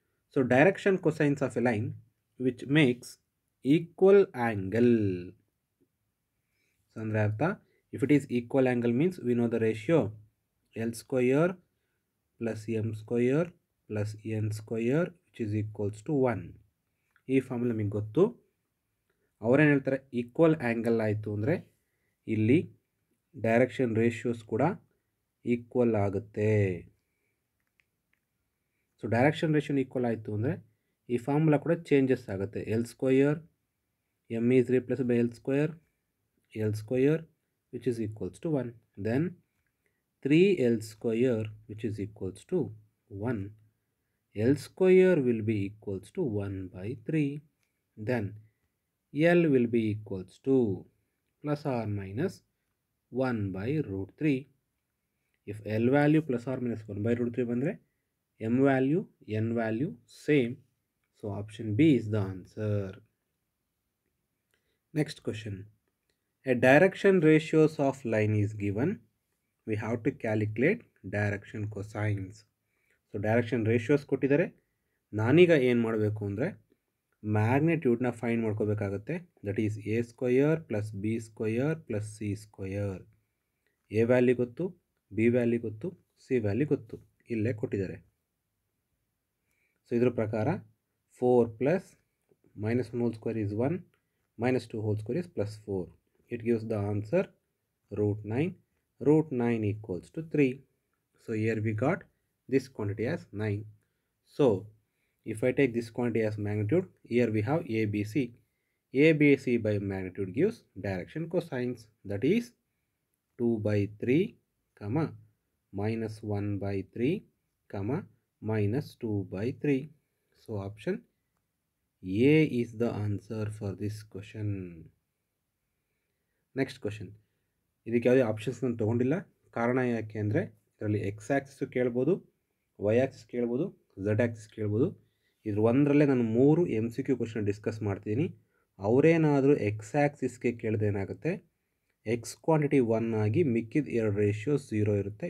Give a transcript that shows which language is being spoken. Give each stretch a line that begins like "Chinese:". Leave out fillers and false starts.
English: So direction cosines of a line which makes equal angle. So
Kannada: andre artha,
English: if it is equal angle means we know the ratio L square plus M square plus N square which is equals to 1.
Kannada: ಈ formula ನಿಮಗೆ ಗೊತ್ತು. ಅವ್ರೇನು ಹೇಳ್ತಾರೆ, equal angle ಆಯಿತು ಅಂದರೆ ಇಲ್ಲಿ direction ratios ಕೂಡ equal ಆಗುತ್ತೆ. ಸೊ ಡೈರೆಕ್ಷನ್ ರೇಷಿಯೋ ಈಕ್ವಲ್ ಆಯಿತು ಅಂದರೆ ಈ ಫಾರ್ಮುಲಾ ಕೂಡ ಚೇಂಜಸ್ ಆಗುತ್ತೆ.
English: L square M is replace by L square L square which is equals to 1, then 3 L square which is equals to 1, L square will be equals to 1 by 3. Then L will be equals to plus or minus 1 by root 3. If L value plus or minus 1 by root 3 bandre, M value, N value same. So option B is the answer. Next question. A direction ratios of line is given. We have to calculate direction cosines.
Kannada: So direction ratios ಕೊಟ್ಟಿದ್ದಾರೆ. ನಾನೀಗ ಏನು ಮಾಡಬೇಕು ಅಂದರೆ ಮ್ಯಾಗ್ನೆಟ್ಯೂಡ್ನ find ಮಾಡ್ಕೋಬೇಕಾಗತ್ತೆ.
English: That is A square plus B square plus C square.
Kannada: A valley ಗೊತ್ತು, B valley ಗೊತ್ತು, C valley ಗೊತ್ತು, ಇಲ್ಲೇ ಕೊಟ್ಟಿದ್ದಾರೆ. ಸೊ ಇದ್ರ ಪ್ರಕಾರ 4 plus minus 1 whole square is 1, minus 2 whole square is plus 4.
English: It gives the answer root 9. Root 9 equals to 3. So here we got this quantity as 9. So if I take this quantity as magnitude, here we have ABC. ABC by magnitude gives direction cosines, that is 2 by 3 comma minus 1 by 3 comma minus 2 by 3. So option A is the answer for this question. Next question.
Kannada: ಇದಕ್ಕೆ ಯಾವುದೇ options ನಾನು ತೊಗೊಂಡಿಲ್ಲ. ಕಾರಣ ಯಾಕೆ ಅಂದರೆ ಇದರಲ್ಲಿ X axis ಕೇಳ್ಬೋದು, Y Axis ಕೇಳ್ಬೋದು, Z Axis ಕೇಳ್ಬೋದು. ಇದ್ರ ಒಂದರಲ್ಲೇ ನಾನು 3 M C Q question discuss ಮಾಡ್ತೀನಿ. ಅವರೇನಾದರೂ ಎಕ್ಸ್ ಆಕ್ಸಿಸ್ಗೆ ಕೇಳ್ದೇನಾಗುತ್ತೆ, ಎಕ್ಸ್ ಕ್ವಾಂಟಿಟಿ 1 ಆಗಿ ಮಿಕ್ಕಿದ ಎರಡು ರೇಷಿಯೋ 0 ಇರುತ್ತೆ.